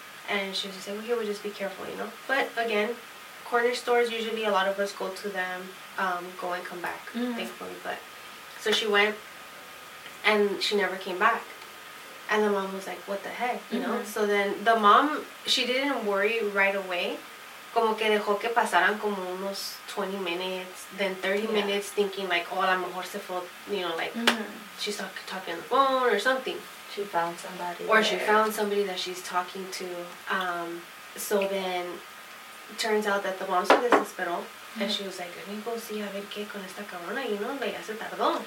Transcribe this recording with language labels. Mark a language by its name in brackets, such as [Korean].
[English] And she was just like, okay, we'll just be careful, you know? But again, corner stores, usually a lot of us go to them, go and come back, mm-hmm. thankfully. But so she went, and she never came back. And the mom was like, what the heck, you know? Mm-hmm. So then the mom, she didn't worry right away. [Spanish] Como que dejó que pasaran como unos 20 [English] minutes, then 30 yeah. minutes, thinking like, oh, [Spanish] a lo mejor se fue, [English] you know, like, mm-hmm. she's talking on the phone or something. She found somebody. Or she found somebody that she's talking to. So then, it turns out that the mom [Spanish] se desesperó, [English] mm-hmm. and she was like, let me go see [Spanish] a ver qué con esta cabrona, [English] you know, [Spanish] ya se tardó.